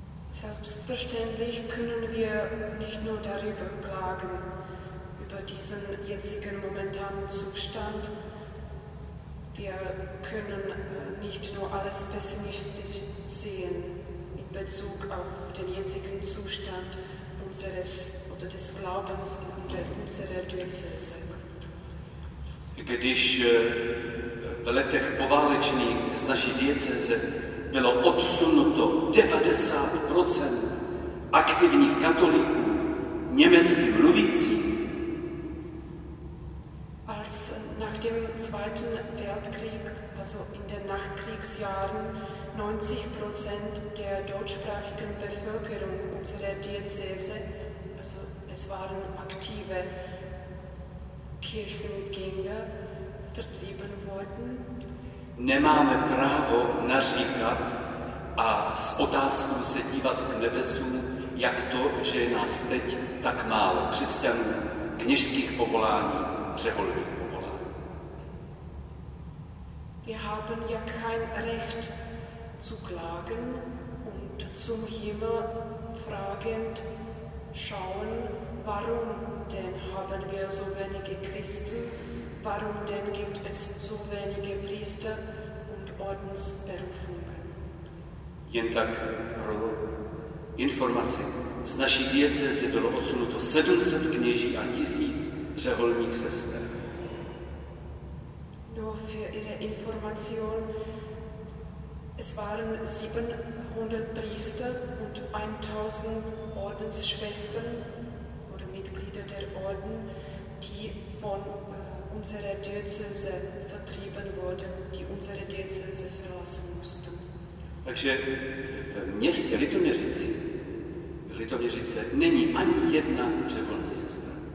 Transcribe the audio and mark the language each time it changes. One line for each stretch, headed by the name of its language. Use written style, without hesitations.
German: Selbstverständlich können wir nicht nur darüber klagen, über diesen jetzigen momentanen Zustand. Wir können nicht nur alles pessimistisch sehen in Bezug auf den jetzigen Zustand unseres oder des Glaubens in unserer Diözese.
Czech: Když v letech poválečných z naší diecese bylo odsunuto 90% aktivních katolíků německy mluvících.
German: Als nach dem Zweiten Weltkrieg, also in den Nachkriegsjahren, 90% der deutschsprachigen Bevölkerung unserer Diözese, also es waren aktive Kirchengänger, vertrieben wurden.
Czech: Nemáme právo naříkat a s otázkou se dívat k nebesům, jak to, že je nás teď tak málo křesťanů, kněžských povolání, řeholních povolání.
German: Wir haben ja kein Recht zu klagen und zum Himmel fragend schauen, warum denn haben wir so wenige Christen, warum denn gibt es so wenige Priester und Ordensberufungen.
Czech: Jen tak pro informaci. Z naší diecezy bylo odsunuto 700 kněží a 1000 řeholních sester.
German: Nur für Ihre Information, es waren 700 Priester und 1000 Ordensschwestern oder Mitglieder der Orden, die von unserer Diözese vertrieben wurden, die unsere Diözese verlassen mussten.
Czech: Takže v městě Litoměřice není ani jedna řeholní sestra.